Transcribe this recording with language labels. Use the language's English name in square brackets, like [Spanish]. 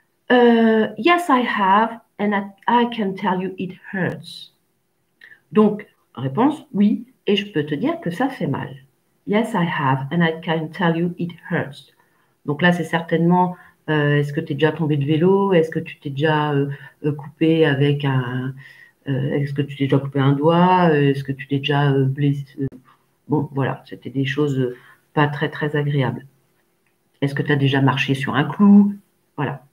[English] Yes, I have, and I can tell you it hurts. [French] Donc, réponse, oui, et je peux te dire que ça fait mal. [English] Yes, I have, and I can tell you it hurts. [French] Donc là, c'est certainement, est-ce que tu es déjà tombé de vélo? Est-ce que tu t'es déjà coupé avec un... est-ce que tu t'es déjà coupé un doigt? Est-ce que tu t'es déjà blessé? Bon, voilà, c'était des choses pas très très agréables. Est-ce que tu as déjà marché sur un clou? Voilà.